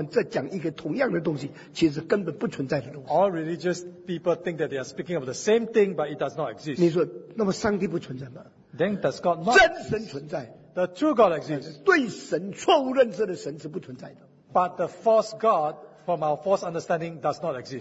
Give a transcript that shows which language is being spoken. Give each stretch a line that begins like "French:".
Chinese: 所以每一个宗教人士都以为他们在讲一个同样的东西，其实根本不存在的东西。
English: All religious people think that they are speaking of the same thing, but it does not exist.
Chinese: 你说，那么上帝不存在吗？
English: Then does God not?
Chinese: 真神存在。
English: The true God exists.
Chinese: 对神错误认识的神是不存在的。
English: But the false God, from our false understanding, does not exist.